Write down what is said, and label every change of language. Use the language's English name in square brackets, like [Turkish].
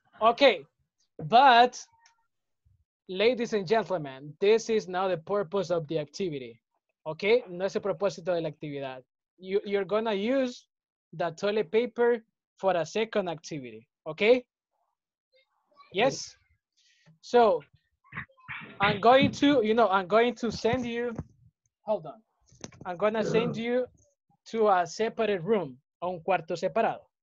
[English] Okay, but ladies and gentlemen, this is not the purpose of the activity. [Spanish] Okay, no es el propósito de la actividad. [English] You're gonna use the toilet paper for a second activity. Okay. Yes. So. I'm going to send you, hold on. I'm going to send you to a separate room, [Spanish] a un cuarto separado.